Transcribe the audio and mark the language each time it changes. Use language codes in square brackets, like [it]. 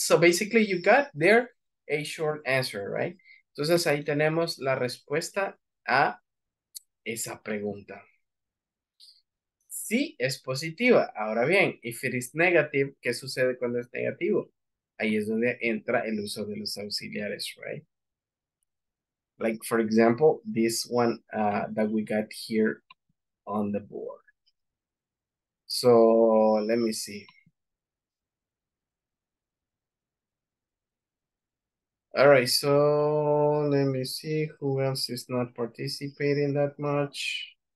[en] So basically you got there a short answer, right? [es] Entonces ahí tenemos la respuesta a esa pregunta. Sí, es positiva. Ahora bien, [en] if it is negative, [es] ¿qué sucede cuando es negativo? Ahí es donde entra el uso de los auxiliares, right? [en] Like, for example, this one that we got here on the board. So, let me see. All right, so let me see who else is not participating that much.